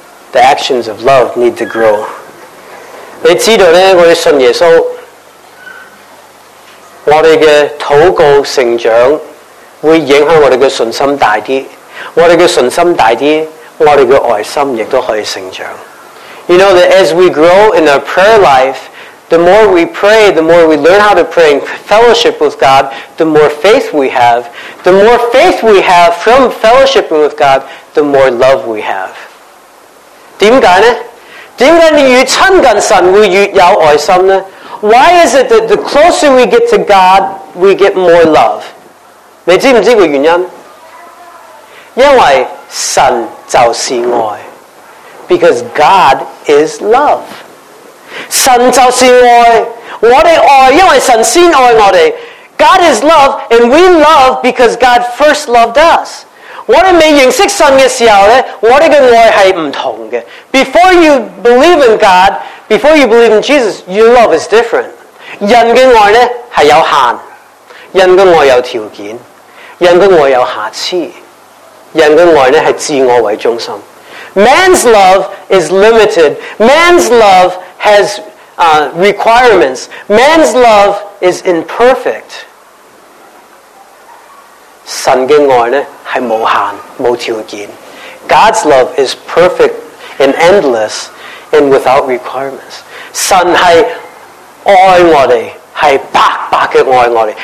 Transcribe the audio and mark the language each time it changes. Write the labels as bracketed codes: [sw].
[en] The actions of love need to grow. [zh] 你知道呢，我们信耶稣，我们的祷告成长。会影响我们的信心大一点，我们的信心大一点，我们的爱心也都可以成长。 [en] You know that as we grow in our prayer life, the more we pray, the more we learn how to pray in fellowship with God, the more faith we have. The more faith we have from fellowshiping with God, the more love we have. [zh] 为什么呢? 为什么越亲近神会越有爱心呢? [en] Why is it that the closer we get to God, we get more love? [zh] 你知不知道原因? 因为神就是爱。 [en] Because God is love. [zh] 神就是爱, 我们爱, 因为神先爱我们。 [en] God is love, and we love because God first loved us. [zh] 我们未认识神的时候, 我们的爱是不同的。 [en] Before you believe in God, before you believe in Jesus, your love is different. [zh] 人的爱呢, 是有限, 人的爱有条件。人的爱有瑕疵，人的爱呢是自我为中心。 [en] Man's love is limited. Man's love has requirements. Man's love is imperfect. [zh] 神的爱呢, 是无限, 无条件. [en] God's love is perfect and endless and without requirements. [zh] 神是爱我们, 是白白的爱我们.